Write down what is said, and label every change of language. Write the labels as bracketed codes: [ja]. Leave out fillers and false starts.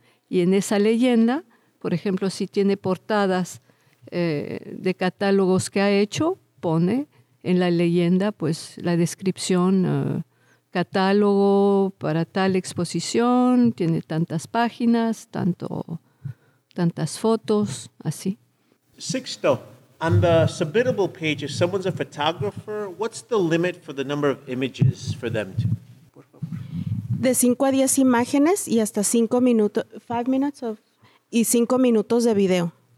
[es] Y en esa leyenda, por ejemplo, si tiene portadas de catálogos que ha hecho, pone en la leyenda pues la descripción, catálogo para tal exposición, tiene tantas páginas, tantas fotos, así. [en] Sixto, on the submittable page, if someone's a photographer, what's the limit for the number of images for them to? [es] De 5 a 10 imágenes y hasta 5 minutos, [en] 5 minutes of, [es] y 5 minutos de video.